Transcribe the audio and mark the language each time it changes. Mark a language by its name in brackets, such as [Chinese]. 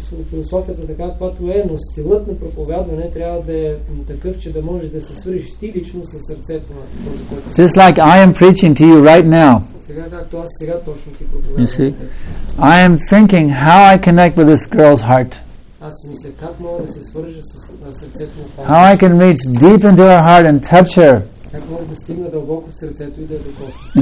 [Bulgarian] Философията така, каквато е, но стилът на проповядване трябва да е такъв, че да можеш да се свържиш ти лично със сърцето на този, който. [English] Just like I am preaching to you right now. [Bulgarian] Сега както аз сега точно ти проповядвам. [English] You see, I am thinking how I connect with this girl's heart. [Bulgarian] Аз си мисля, как мога да се свържа с сърцето на това. [English] How I can reach deep into her heart and touch her. [Bulgarian] Как мога да стигна дълбоко в сърцето и да я докосна.